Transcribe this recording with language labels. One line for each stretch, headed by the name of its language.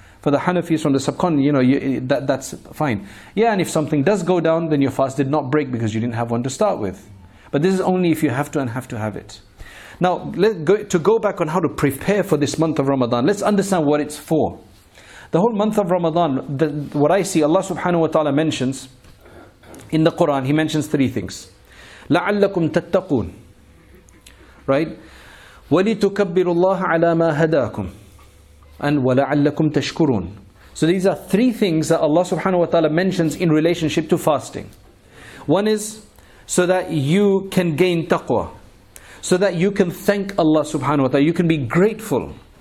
English: For the Hanafis from the subcontinent, that's fine. Yeah, and if something does go down, then your fast did not break because you didn't have one to start with. But this is only if you have to and have to have it. Now, to go back on how to prepare for this month of Ramadan, let's understand what it's for. The whole month of Ramadan, what I see, Allah subhanahu wa ta'ala mentions in the Quran, He mentions three things.
Arabic: لَعَلَّكُمْ تَتَّقُونَ
English: Right?
Arabic: وَلِتُكَبِّرُ اللَّهَ عَلَى مَا هَدَاكُمْ
English: And
Arabic: وَلَعَلَّكُمْ تَشْكُرُونَ
English: So these are three things that Allah subhanahu wa ta'ala mentions in relationship to fasting. One is so that you can gain taqwa. So that you can thank Allah subhanahu wa ta'ala. You can be grateful.